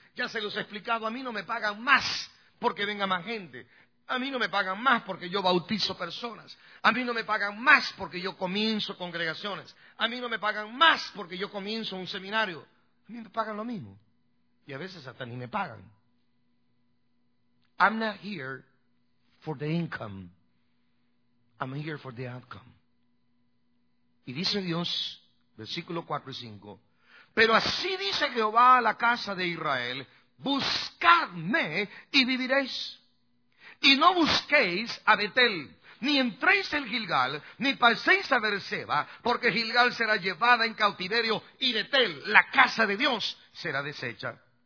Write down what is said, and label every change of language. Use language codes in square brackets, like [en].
[es] Ya se los he explicado, a mí no me pagan más porque venga más gente. A mí no me pagan más porque yo bautizo personas. A mí no me pagan más porque yo comienzo congregaciones. A mí no me pagan más porque yo comienzo un seminario. A mí me pagan lo mismo. Y a veces hasta ni me pagan. [en] I'm not here for the income. I'm here for the outcome. [es] Y dice Dios, versículo 4 y 5, pero así dice Jehová a la casa de Israel, buscadme y viviréis. Y no busquéis a Betel, ni entréis en Gilgal, ni paséis a Berseba, porque Gilgal será llevada en cautiverio, y Betel, la casa de Dios, será deshecha.